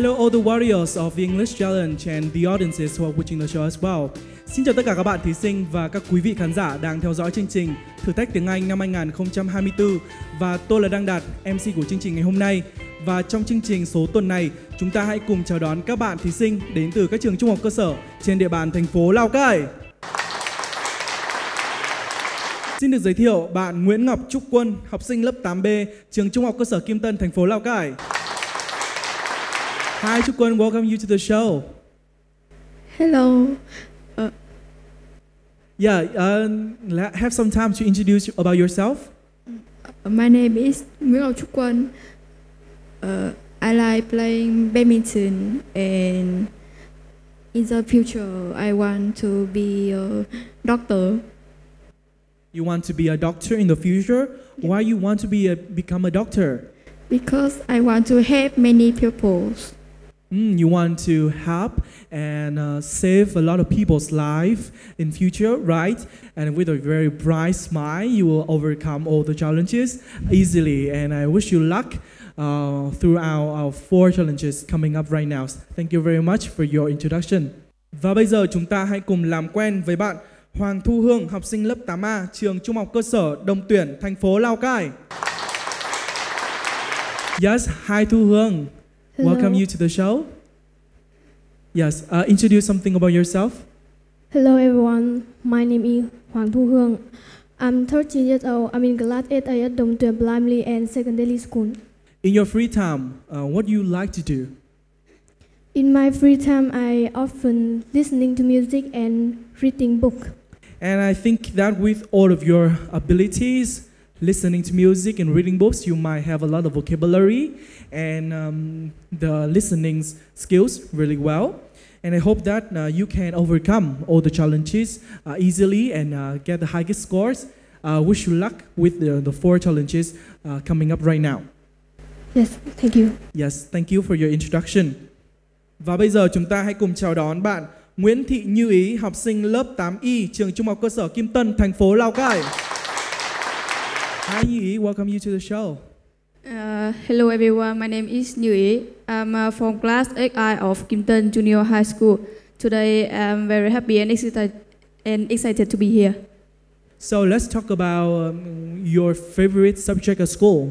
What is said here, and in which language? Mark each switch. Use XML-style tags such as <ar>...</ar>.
<en>the warriors of the English challenge and the audiences who are watching the show as well.</en> <vi>Xin chào tất cả các bạn thí sinh và các quý vị khán giả đang theo dõi chương trình Thử thách tiếng Anh năm 2024. Và tôi là Đăng Đạt, MC của chương trình ngày hôm nay. Và trong chương trình số tuần này, chúng ta hãy cùng chào đón các bạn thí sinh đến từ các trường trung học cơ sở trên địa bàn thành phố Lào Cai. Xin được giới thiệu bạn Nguyễn Ngọc Trúc Quân, học sinh lớp 8B, trường trung học cơ sở Kim Tân, thành phố Lào Cai.</vi> <en>Hi Trúc Quân, welcome you to the show. Hello. Have some time to introduce you about yourself. My name is Nguyễn Ngọc Trúc Quân. I like playing badminton, and in the future, I want to be a doctor. You want to be a doctor in the future? Yeah. Why you want to be become a doctor? Because I want to help many people. You want to help and save a lot of people's life in future, right? And with a very bright smile, you will overcome all the challenges easily. And I wish you luck throughout our four challenges coming up right now. Thank you very much for your introduction.</en> <vi>Và bây giờ chúng ta hãy cùng làm quen với bạn Hoàng Thu Hương, học sinh lớp 8A, trường trung học cơ sở Đồng Tuyển, thành phố Lào Cai.</vi> <en>Yes, hi Thu Hương. Hello. Welcome you to the show. Yes, introduce something about yourself. Hello everyone, my name is Hoàng Thu Hương. I'm 13 years old, I'm in class 8A at Đồng Tuyển Primary and Secondary School. In your free time, what do you like to do? In my free time, I often listening to music and reading book. And I think that with all of your abilities, listening to music and reading books, you might have a lot of vocabulary and the listening skills really well. And I hope that you can overcome all the challenges easily and get the highest scores. Wish you luck with the four challenges coming up right now. Yes, thank you. Yes, thank you for your introduction.</en> <vi>Và bây giờ chúng ta hãy cùng chào đón bạn Nguyễn Thị Như Ý, học sinh lớp 8Y, trường trung học cơ sở Kim Tân, thành phố Lào Cai.</vi> <en>Hi, Như Ý, welcome you to the show. Hello everyone, my name is Như Ý. I'm from class 8I of Kim Tân Junior High School. Today I'm very happy and excited to be here. So let's talk about your favorite subject at school.</en>